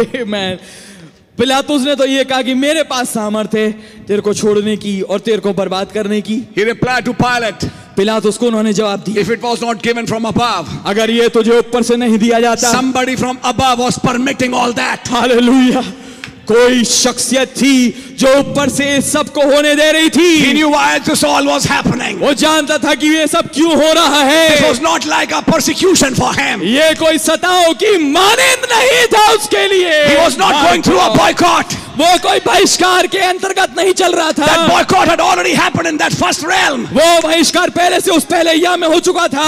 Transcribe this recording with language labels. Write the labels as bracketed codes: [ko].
[en] Amen. [hi] पिलातुस ने तो ये कहा कि मेरे पास सामर्थ्य है तेरे को छोड़ने की और तेरे को बर्बाद करने की. [en] He replied to Pilate. [hi] पिलातुस को उन्होंने जवाब दिया. [en] If it was not given from above. [hi] अगर ये तुझे ऊपर से नहीं दिया जाता. [en] Somebody from above was permitting all that. Hallelujah. [hi] कोई शख्सियत थी जो ऊपर से सबको होने दे रही थी. [en] He knew why this all was happening. [hi] वो जानता था कि ये सब क्यों हो रहा है. [en] This was not like a persecution for him. [hi] ये कोई सताओ की मानिंद नहीं था उसके लिए. [en] He was not going through a boycott. [hi] वो कोई बहिष्कार के अंतर्गत नहीं चल रहा था. [en] That boycott had already happened in that first realm. [hi] वो बहिष्कार पहले से उस पहले याम में हो चुका था.